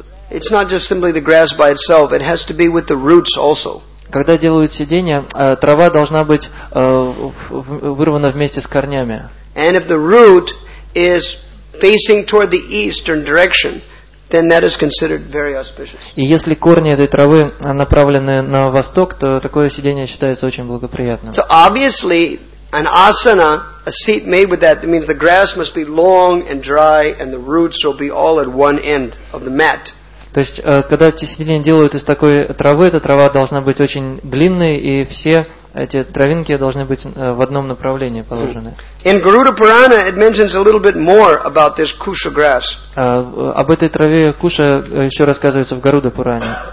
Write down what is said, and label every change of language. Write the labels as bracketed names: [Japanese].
[English] It's not just simply the grass by itself, it has to be with the roots also. [Russian] Когда делают сиденье, трава должна быть вырвана вместе с корнями. [English] And if the root is facing toward the eastern direction, then that is considered very auspicious. [Russian] И если корни этой травы направлены на восток, то такое сиденье считается очень благоприятным. [English] So obviously, an asana, a seat made with that, means the grass must be long and dry and the roots will be all at one end of the mat. [Russian] То есть, когда эти сиденья делают из такой травы, эта трава должна быть очень длинной, и все эти травинки должны быть в одном направлении положены. [English] In Garuda Purana it mentions a little bit more about this kusha grass. [Russian] Об этой траве куша еще рассказывается в Гаруда Пуране.